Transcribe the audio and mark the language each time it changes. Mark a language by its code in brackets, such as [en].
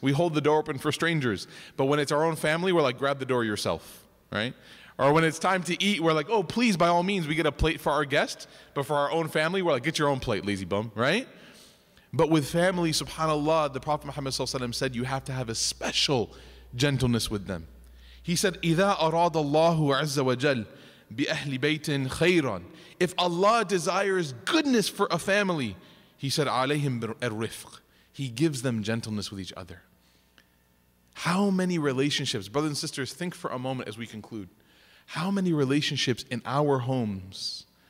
[en] We hold the door open for strangers. But when it's our own family, we're like, grab the door yourself, right? Or when it's time to eat, we're like, oh, please, by all means, we get a plate for our guest. But for our own family, we're like, get your own plate, lazy bum, right? But with family, subhanAllah, the Prophet Muhammad Sallallahu Alaihi Wasallam said, you have to have a special gentleness with them. He said, [ar] إِذَا أَرَادَ اللَّهُ عَزَّ وَجَلَّ بِأَهْلِ بَيْتٍ خَيْرًا. [en] If Allah desires goodness for a family, he said, [ar] عَلَيْهِمْ بِالرِّفْقِ. [en] He gives them gentleness with each other. How many relationships, brothers and sisters, think for a moment as we conclude. How many relationships in our homes